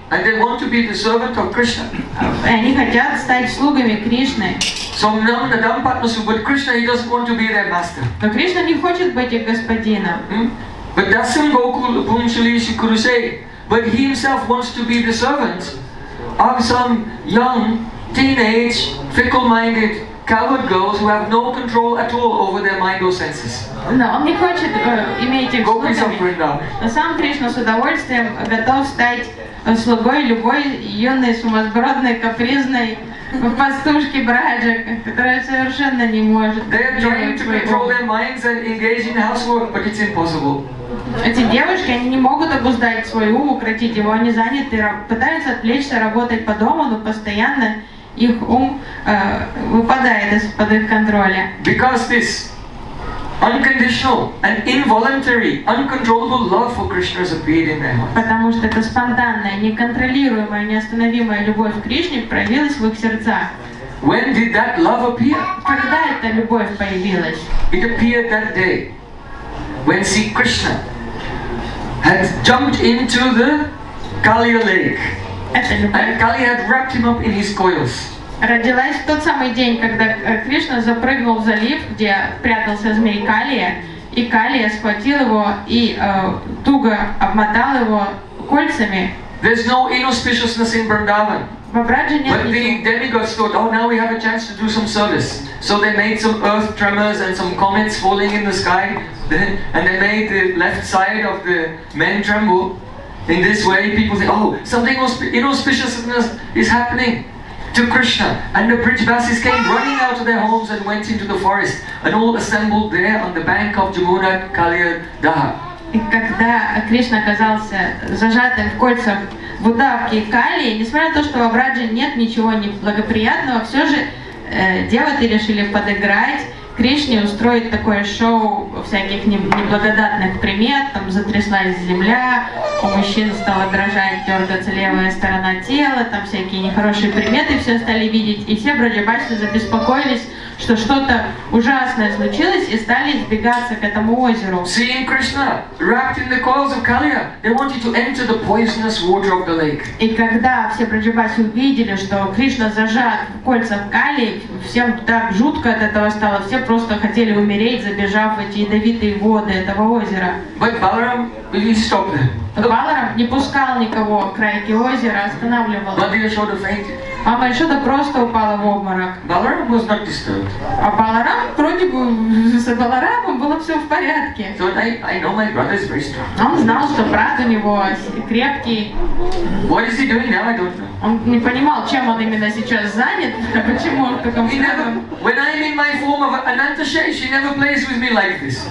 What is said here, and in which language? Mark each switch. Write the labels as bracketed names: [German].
[English] And they want to be the servant of Krishna. [Russian] И они хотят стать слугами Кришны. [English] So now the dhampatmasu, but Krishna, he doesn't want to be their master. [Russian] Но Кришна не хочет быть их господином. [English] But dasam gokul bhumshalishi kurusei, but he himself wants to be the servant of some young, teenage, fickle-minded, coward girls who have no control at all over their mind or senses. [Russian] Но он не хочет иметь их слугами. Но сам Кришна с удовольствием готов стать слугой любой юной, сумасбродной, капризной пастушки Браджа, которая совершенно не может. [English] They are trying to control their minds and engage in housework, but it's impossible. [Russian] Эти девушки, они не могут обуздать свой ум, укротить его, они заняты, пытаются отвлечься, работать по дому, но постоянно их ум выпадает из-под их контроля. [English] Because this unconditional and involuntary, uncontrollable love for Krishna has appeared in their hearts. [Russian] Потому что это спонтанная, неконтролируемая, неостановимая любовь к Кришне проявилась в их сердцах. [English] When did that love appear? [Russian] Когда эта любовь появилась? [English] It appeared that day when Sri Krishna had jumped into the Kaliya lake. And Kali had wrapped him up in his coils. [Russian] Родилась в тот самый день, когда Кришна запрыгнул в залив, где прятался змей Калия, и Калия схватил его и туго обмотал его кольцами. [English] There's no inauspiciousness in Vrindavan. [Russian] Во Брадже нет. [English] But the demigods thought, oh, now we have a chance to do some service. So they made some earth tremors and some comets falling in the sky, and they made the left side of the men tremble. In this way, people say, oh, something inauspiciousness is happening to Krishna. And the Brijvasis came running out of their homes and went into the forest and all assembled there on the bank of Jamuna Kaliya Daha. [Russian] И когда Кришна оказался зажатым в кольцах Вудавки и Калии, несмотря на то, что во Врадже нет ничего неблагоприятного, все же девоты решили подыграть к Кришне устроит такое шоу всяких неблагодатных примет, там затряслась земля, у мужчин стала дрожать, дергаться левая сторона тела, там всякие нехорошие приметы все стали видеть, и все Враджабасы забеспокоились, что что-то ужасное случилось, и стали сбегаться к этому озеру. [English] Seeing Krishna wrapped in the coils of Kaliya, they wanted to enter the poisonous water of the lake. [Russian] И когда все Враджабасы увидели, что Кришна зажат в кольцах Кали, всем так жутко от этого стало, все просто хотели умереть, забежав в эти ядовитые воды этого озера. [English] But Balaram didn't stop them. [Russian] Баларам не пускал никого к краю озера, останавливал. [English] But they showed a faint. [Russian] Мама Яшода просто упала в обморок. [English] Баларам was not disturbed. [Russian] А Баларам, вроде бы, с Баларамом было все в порядке. [English] So I know my brother is very strong. [Russian] Он знал, что брат у него крепкий. [English] What is he doing now? I don't know. [Russian] Он не понимал, чем он именно сейчас занят, а почему он в таком странном... [English] When I'm in my form of Anantashesh, he never plays with me like this.